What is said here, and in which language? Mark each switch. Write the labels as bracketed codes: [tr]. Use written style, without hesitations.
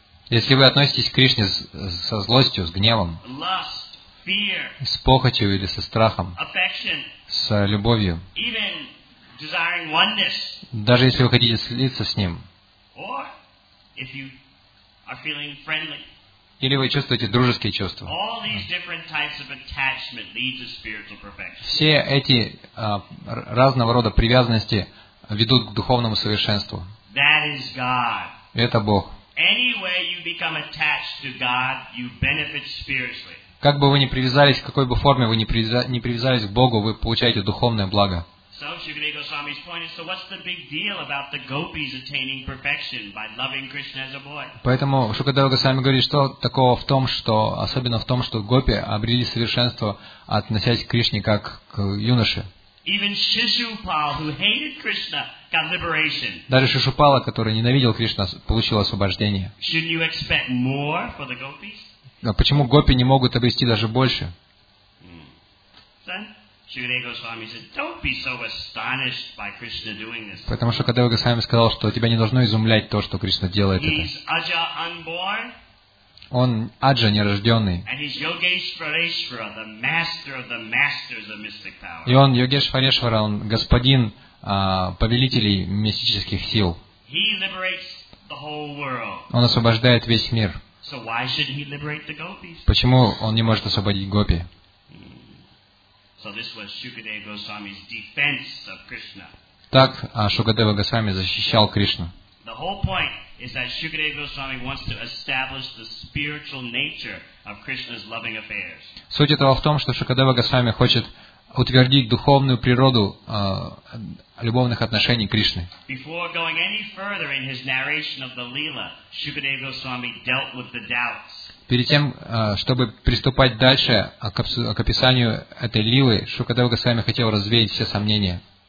[ru] если вы относитесь к Кришне со злостью, с гневом, [en] lust, fear, [ru] с похотью или со страхом, [en] affection, [ru] с любовью, [en] even desiring oneness, [ru] даже если вы хотите слиться с ним, [en] or if you are feeling friendly, [ru] или вы чувствуете дружеские чувства, [en] all these different types of attachment lead to spiritual perfection. [ru] Все эти разного рода привязанности ведут к духовному совершенству. [en] That is God. [ru] Это Бог. [en] Any way you become attached to God, you benefit spiritually. [ru] Как бы вы ни привязались, в какой бы форме вы ни привязались к Богу, вы получаете духовное благо. [en] So Shukadeva Goswami's point is: so what's the big deal about the gopis attaining perfection by loving Krishna as a boy? [ru] Поэтому Шукадева Госвами говорит, что такого в том, что особенно в том, что гопи обрели совершенство, относясь к Кришне как к юноше. [en] Even Shishupal, who hated Krishna, got liberation. [ru] Даже Шишупала, который ненавидел Кришну, получил освобождение. [en] Shouldn't you expect more for the gopis? [ru] Но почему гопи не могут обрести даже больше? [en] Shukadeva Goswami said, "Don't be so astonished by Krishna doing this." [ru] Потому что Шукадева Госвами сказал, что тебя не должно изумлять то, что Кришна делает это. [en] He's Aja unborn. [ru] Он Аджа нерожденный. [en] And he's Yogeshvareshvara, the master of the masters of mystic power. [ru] И он Йогешвареshvara, он господин повелителей мистических сил. [en] He liberates the whole world. [ru] Он освобождает весь мир. [en] So why should he liberate the gopis? [ru] Почему он не может освободить гопи? [en] So this was Shukadeva Goswami's defense of Krishna. [ru] Так, Шукадева Госвами защищал Кришну. [en] The whole point is that Shukadeva Goswami wants to establish the spiritual nature of Krishna's loving affairs. [ru] Суть этого в том, что Шукадева Госвами хочет утвердить духовную природу любовных отношений Кришны. [en] Before going any further in his narration of the Leela, Shukadeva Goswami dealt with the doubts. [ru] Перед тем, чтобы приступать дальше к описанию этой лилы, Шукадева Госвами хотел развеять все сомнения.